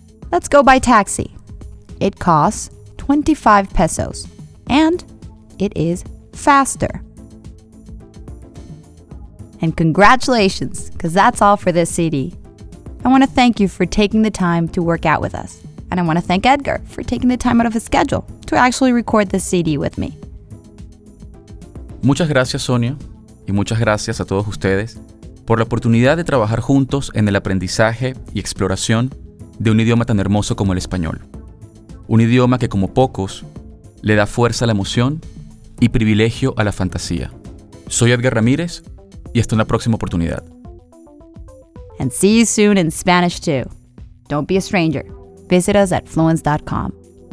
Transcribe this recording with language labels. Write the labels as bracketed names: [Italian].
[English] Let's go by taxi. It costs 25 pesos and it is faster. And congratulations, because that's all for this CD. I want to thank you for taking the time to work out with us. And I want to thank Edgar for taking the time out of his schedule to actually record this CD with me. [Spanish] Muchas gracias, Sonia, y muchas gracias a todos ustedes por la oportunidad de trabajar juntos en el aprendizaje y exploración de un idioma tan hermoso como el español. Un idioma que, como pocos, le da fuerza a la emoción y privilegio a la fantasía. Soy Edgar Ramírez. Y hasta una próxima oportunidad. [English] And see you soon in Spanish too. Don't be a stranger. Visit us at fluence.com.